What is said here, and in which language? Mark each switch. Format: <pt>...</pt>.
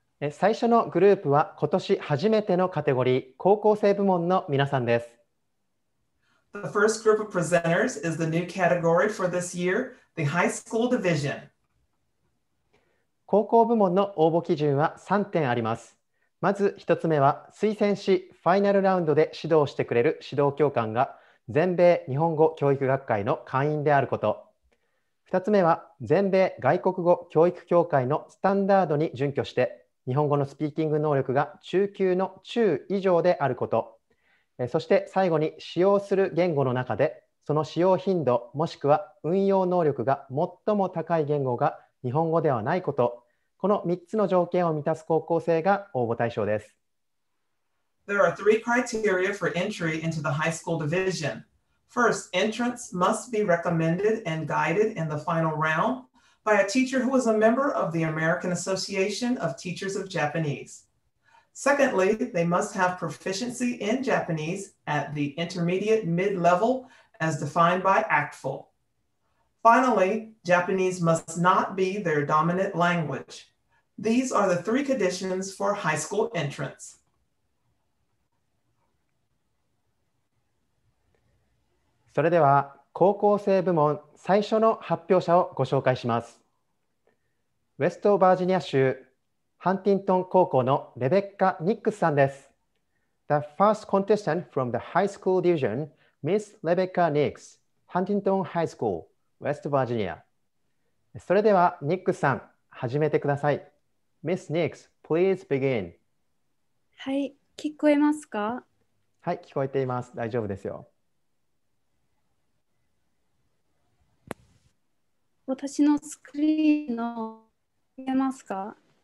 <ja>最初のグループは今年初めてのカテゴリー、高校生部門の皆さんです。</ja> <en>The first group of presenters is the new category for this year, the high school division.</en> <ja>高校部門の応募基準は3点あります。まず一つ目は、推薦しファイナルラウンドで指導してくれる指導教官が全米日本語教育学会の会員であること。二つ目は、全米外国語教育協会のスタンダードに準拠して日本語のスピーキング能力が中級の中以上であること。そして最後に、使用する言語の中でその使用頻度もしくは運用能力が最も高い言語が日本語ではないこと。この3つの条件を満たす高校生が応募対象です。</ja> <en>There are three criteria for entry into the high school division. First, entrance must be recommended and guided in the final round by a teacher who is a member of the American Association of Teachers of Japanese. Secondly, they must have proficiency in Japanese at the intermediate mid-level as defined by ACTFL. Finally, Japanese must not be their dominant language. These are the three conditions for high school entrance.</en> <ja>それでは高校生部門最初の発表者をご紹介します。ウェストバージニア州ハンティントン高校のレベッカ・ニックスさんです。</ja> <en>The first contestant from the high school division, Miss Rebecca Nix, Huntington High School, West Virginia.</en> <ja>それではニックスさん、始めてください。</ja> <en>Miss Nix, please begin.</en> <ja>はい、聞こえますか？はい、聞こえています。大丈夫ですよ。私のスクリーンの見えますか？</ja>